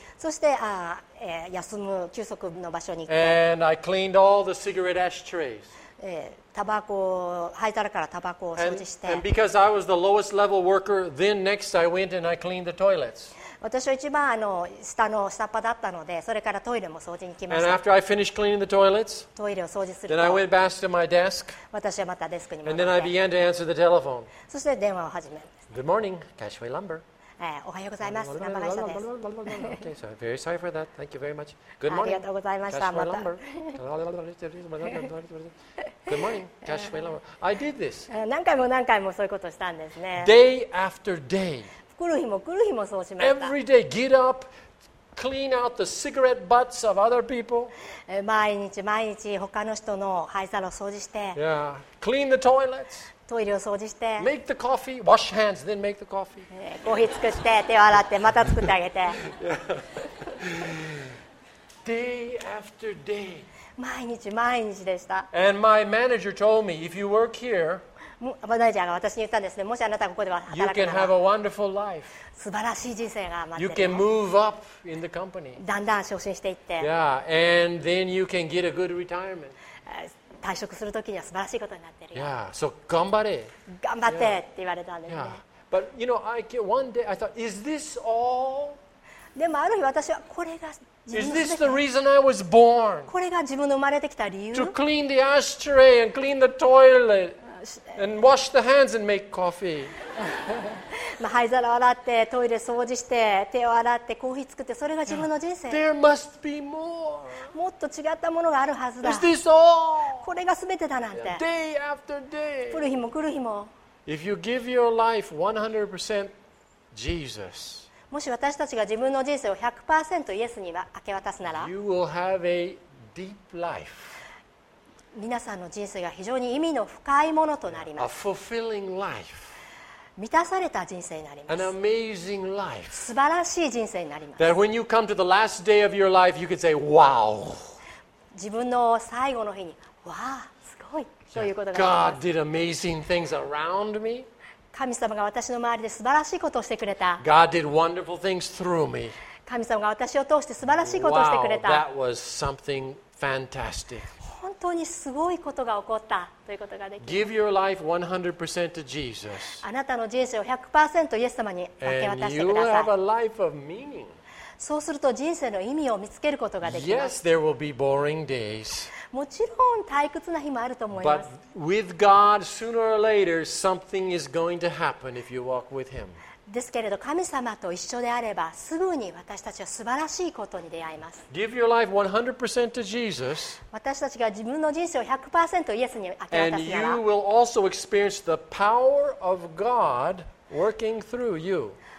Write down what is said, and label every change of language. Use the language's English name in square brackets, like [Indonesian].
[Japanese] そして休む休息の場所に行って [English] 、and I cleaned all the cigarette ashtrays. [Japanese] タバコ灰皿からタバコを掃除して、 [English] and because I was the lowest level worker, then next I went and I cleaned the toilets. [Japanese] 私は一番下の下っ端だったのでそれからトイレも掃除に来ました。 [English] And after I finished cleaning the toilets, [Japanese] トイレを掃除すると [English] then I went back to my desk, [Japanese] 私はまたデスクに戻って [English] and then I began to answer the telephone. [Japanese] そして電話を始めます。 [English] Good morning, Cashway Lumber. [Japanese] おはようございます。ナンバー会社です。 [English] Okay, so very sorry for that. Thank you very much. Good morning, [Japanese] ありがとうございました。 [English] Cashway Lumber. Good morning, Cashway Lumber. I did this. [Japanese] 何回も何回もそういうことをしたんですね。 [English] Day after day. [Japanese] 来る日も来る日もそうしました。 [English] Every day, get up, clean out the cigarette butts of other people. [Japanese] 毎日毎日他の人の灰皿を掃除して。 [English] Yeah. Clean the toilets. [Japanese] トイレを掃除して。 [English] Make the coffee. Wash hands, then make the coffee. [Japanese] コーヒー作って、手を洗って、また作ってあげて。 [English] Yeah. Day after day. [Japanese] 毎日毎日でした。 [English] And my manager told me, if you work here, [Japanese] マネージャーが私に言ったんですね。もしあなたがここでは働くなら、素晴らしい人生が待っている。 [English] You can move up in the company. [Japanese] だんだん昇進していって。 [English] Yeah, and then you can get a good retirement. [Japanese] 退職するときには素晴らしいことになってるよ。 [English] Yeah, so [Japanese] 頑張れ。頑張ってって言われたんですね。 [English] Yeah. But you know, I one day I thought, is this all? [Japanese] でもある日私はこれが自分 [English] の。Is this the reason I was born? [Japanese] これが自分の生まれてきた理由。 [English] To clean the ashtray and clean the toilet and wash the hands and make coffee. [Japanese] まあ灰皿洗ってトイレ掃除して手を洗ってコーヒー作ってそれが自分の人生。 [English] There must be more. [Japanese] もっと違ったものがあるはずだ。 [English] Is this all? [Japanese] これが全てだなんて。 [English] Day after day. [Japanese] 来る日も来る日も。 [English] If you give your life 100% Jesus, [Japanese] もし私たちが自分の人生を 100% イエスに明け渡すなら [English] you will have a deep life. [Japanese] 皆さんの人生が非常に意味の深いものとなります。 [English] A fulfilling life. [Japanese] 満たされた人生になります。 [English] An amazing life. [Japanese] 素晴らしい人生になります。 [English] That when you come to the last day of your life, you could say, wow. [Japanese] 自分の最後の日に、わあ。 [English] God did amazing things around me. [Japanese] 神様が私の周りで素晴らしいことをしてくれた。 [English] God did wonderful things through me. [Japanese] 神様が私を通して素晴らしいことをしてくれた。 [English] Wow, that was something fantastic. [Japanese] 本当にすごいことが起こったということができる。 [English] Give your life 100% to Jesus. [Japanese] あなたの人生を 100% イエス様に明け渡してください。 [English] And you will have a life of meaning. [Japanese] そうすると人生の意味を見つけることができます。 [English] Yes, there will be boring days. [Japanese] もちろん退屈な日もあると思います。 [English] But with God, sooner or later, something is going to happen if you walk with Him. [Japanese] ですけれど、神様と一緒であれば、すぐに私たちは素晴らしいことに出会います。 [English] Give your life 100% to Jesus. [Japanese] 私たちが自分の人生を 100% イエスに明け渡すなら、 [English] And you will also experience the power of God working through you.